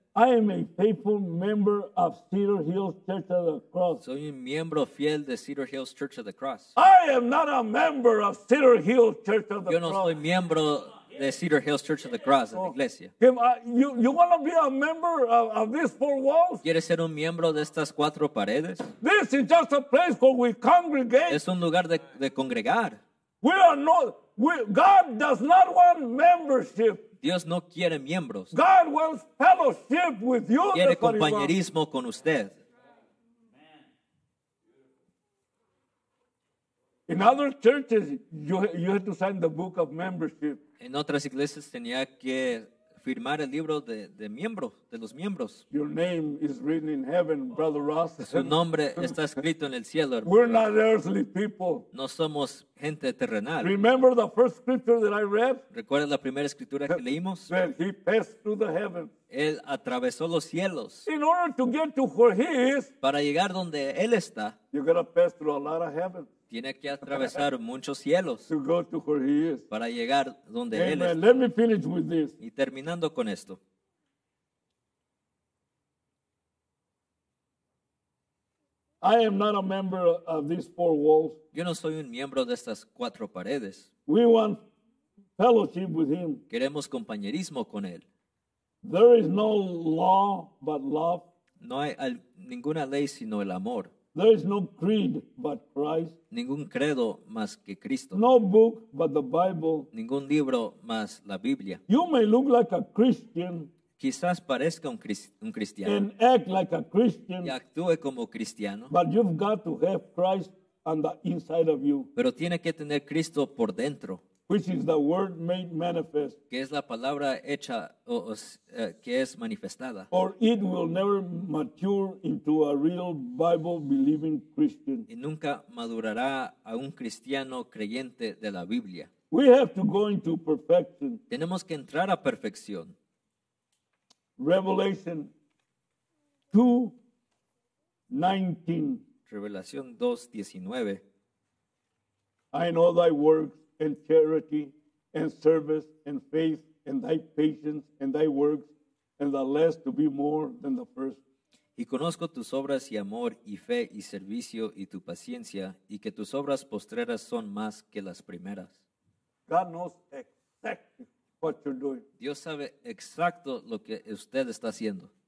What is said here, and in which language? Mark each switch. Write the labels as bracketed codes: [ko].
[en] I am a faithful member of Cedar Hills Church of the Cross. [es] Soy un miembro fiel de Cedar Hills Church of the Cross. [en] I am not a member of Cedar Hills Church of the Cross. [es] Yo no soy miembro de Cedar Hills Church of the Cross, de la iglesia. [en] You want to be a member of these four walls? [es] ¿Quieres ser un miembro de estas cuatro paredes? [en] This is just a place where we congregate. [es] Es un lugar de congregar. [en] We are not. God does not want membership. [es] Dios no quiere miembros. [en] God wants fellowship with you. [es] Quiere compañerismo con usted. [en] In other churches, you had to sign the book of membership. [es] En otras iglesias tenía que firmar el libro de miembros, de los miembros. [en] Your name is written in heaven, Brother Ross. [es] Su nombre está escrito en el cielo, hermano. [en] We're not earthly people. [es] No somos gente terrenal. [en] Remember the first scripture that I read? [es] ¿Recuerdas la primera escritura que leímos? [en] That he passed through the heavens. [es] Él atravesó los cielos. [en] In order to get to where he is, [es] para llegar donde él está, [en] you gotta pass through a lot of heavens. [es] Tiene que atravesar muchos cielos [en] to go to where he is. [es] Para llegar donde [en] Amen. [es] Él es. [en] Let me finish with this. [es] Y terminando con esto. [en] I am not a member of these four walls. [es] Yo no soy un miembro de estas cuatro paredes. [en] We want fellowship with him. [es] Queremos compañerismo con él. [en] There is no law but love. [es] No hay ninguna ley sino el amor. [en] There is no creed but Christ. [es] Ningún credo más que Cristo. [en] No book but the Bible. [es] Ningún libro más la Biblia. [en] You may look like a Christian. [es] Quizás parezca un cristiano. [en] And act like a Christian. [es] Y actúe como cristiano. [en] But you've got to have Christ on the inside of you. [es] Pero tiene que tener Cristo por dentro. [en] Which is the word made manifest. [es] Que es la palabra hecha que es manifestada. [en] Or it will never mature into a real Bible believing Christian. [es] Y nunca madurará a un cristiano creyente de la Biblia. [en] We have to go into perfection. [es] Tenemos que entrar a perfección. [en] Revelation 2:19. [es] Revelación 2:19. [en] I know thy works and charity and service and faith and thy patience and thy works and the less to be more than the first. [es] Y conozco tus obras y amor y fe y servicio y tu paciencia y que tus obras postreras son más que las primeras. [en] God knows exactly what you're doing. [es] Dios sabe exacto lo que usted está haciendo.